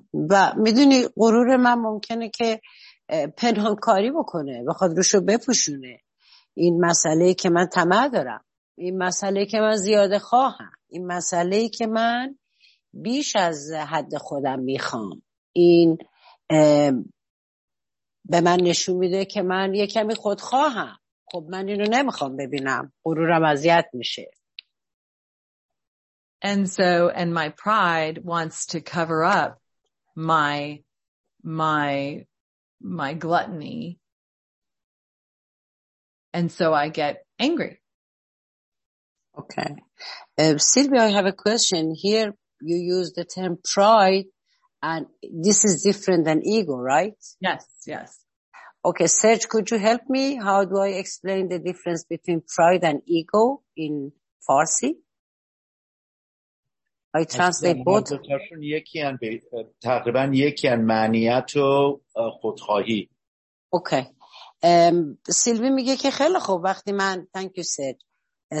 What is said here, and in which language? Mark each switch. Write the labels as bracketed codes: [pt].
[fa] و میدونی غرور من ممکنه که پنهانکاری بکنه و خود روشو بپوشونه این مسئله که من طمع دارم این مسئله که من زیاده خواهم این مسئله که من بیش از حد خودم میخوام این به من نشون میده که من یه کمی خودخواهم خب من اینو نمیخوام ببینم غرورم اذیت میشه [en] And my pride wants to cover up my gluttony. And so I get angry. Okay. Sylvia, I have a question. Here you use the term pride, and this is different than ego, right? Yes, yes. Okay, Serge, could you help me? How do I explain the difference between pride and ego in Farsi? I translate both. [fa] دوتاشون یکیان تقریبا یکیان معنیت و خودخواهی. [en] Okay. [fa] سیلوی میگه که خیلی خوب وقتی من [en] thank you said.